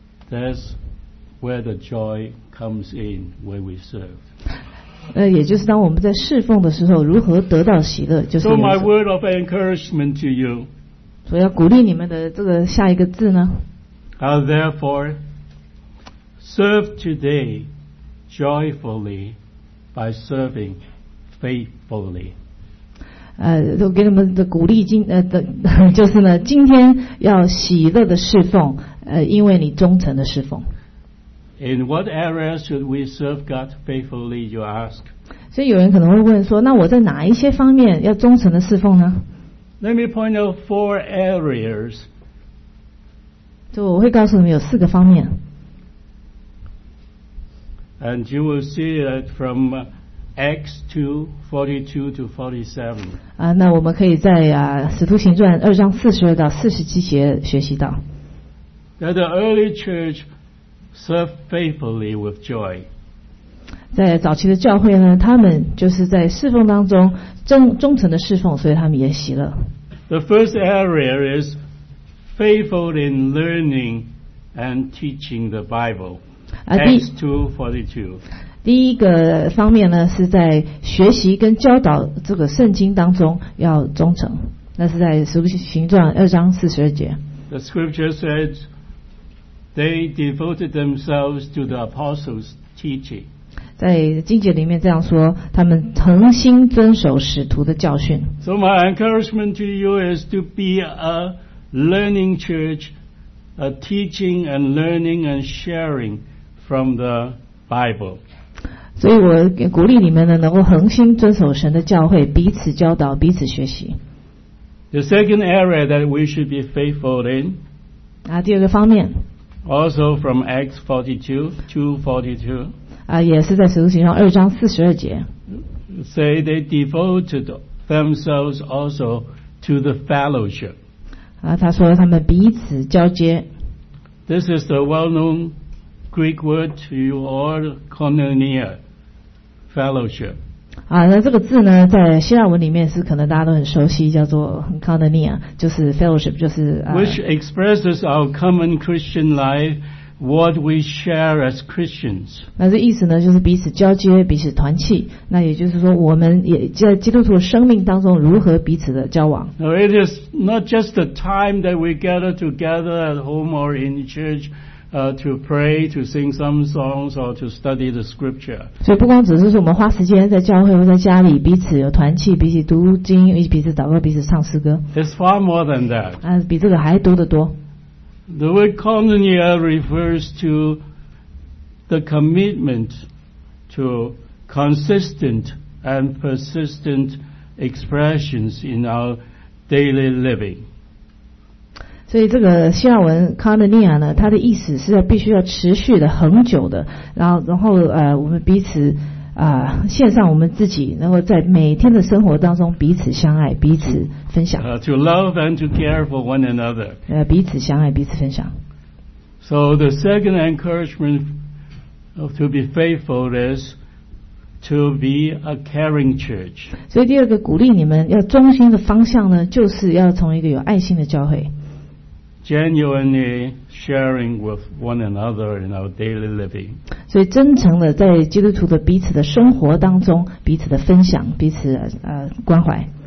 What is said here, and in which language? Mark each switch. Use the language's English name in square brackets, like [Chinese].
[English] That's where the joy comes in when we serve. [Chinese] 也就是当我们在侍奉的时候，如何得到喜乐，就是。 [English] So my word of encouragement to you. [Chinese] 所以要鼓励你们的这个下一个字呢？ [English] Therefore. Serve today joyfully by serving faithfully. [Chinese] 我给你们的鼓励就是呢，今天要喜乐的侍奉，因为你忠诚的侍奉。 [English] In what area should we serve God faithfully, you ask? [Chinese] 所以有人可能会问说，那我在哪一些方面要忠诚的侍奉呢？ [English] Let me point out four areas. [Chinese] 就我会告诉你们有四个方面。 [English] And you will see that from Acts 2:42-47. [Chinese] 那我们可以在《使徒行传》二章四十二到四十七节学习到。 [English] That the early church served faithfully with joy. [Chinese] 在早期的教会呢，他们就是在侍奉当中忠诚的侍奉，所以他们也喜乐。 [English] The first area is faithful in learning and teaching the Bible. Acts 2:42. [Chinese] 第一个方面呢，是在学习跟教导这个圣经当中要忠诚。那是在《使徒行传》二章四十二节。 [English] The scripture says they devoted themselves to the apostles' teaching. [Chinese] 在经节里面这样说，他们恒心遵守使徒的教训。 [English] So my encouragement to you is to be a learning church, a teaching and learning and sharing. From the Bible. [Chinese] 所以我鼓励你们呢，能够恒心遵守神的教诲，彼此教导，彼此学习。 [English] The second area that we should be faithful in. [Chinese] 第二个方面。 [English] Also from Acts 42:42. [Chinese] 也是在使徒行传二章四十二节。 [English] Say they devoted themselves also to the fellowship. [Chinese] 他说他们彼此交接。 [English] This is the well-known. Greek word to you all, koinonia, fellowship. [Chinese] 那这个字呢，在希腊文里面是可能大家都很熟悉，叫做 koinonia, 就是 fellowship, 就是。 [English] Which expresses our common Christian life, what we share as Christians. [Chinese] 那这意思呢，就是彼此交接，彼此团契。那也就是说，我们也在基督徒的生命当中如何彼此的交往。 [English] Now it is not just the time that we gather together at home or in church. to pray, to sing some songs, or to study the scripture. [Chinese] 所以不光只是我们花时间在教会或在家里彼此有团契，彼此读经，彼此祷告，彼此唱诗歌。 [English] It's far more than that. [Chinese] 比这个还多得多。 [English] The word koinonia refers to the commitment to consistent and persistent expressions in our daily living. [Chinese] 所以这个希腊文 koinonia 呢，它的意思是要必须要持续的、恒久的，然后我们彼此献上我们自己，然后在每天的生活当中彼此相爱、彼此分享。 [English] To love and to care for one another. [Chinese] 彼此相爱、彼此分享。 [English] So the second encouragement to be faithful is to be a caring church. [Chinese] 所以第二个鼓励你们要忠心的方向呢，就是要从一个有爱心的教会。 [English] Genuinely sharing with one another in our daily living. [Chinese] 所以真诚的在基督徒的彼此的生活当中，彼此的分享，彼此关怀。